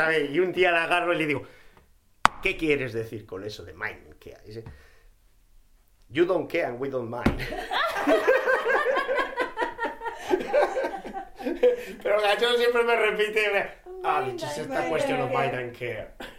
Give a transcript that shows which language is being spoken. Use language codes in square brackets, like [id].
[es] Y un día la agarro y le digo, ¿qué quieres decir con eso de [en] mind care? Dice, you don't care and we don't mind. [es] Pero el gacho siempre me repite, dicho, es esta cuestión de [en] mind and care.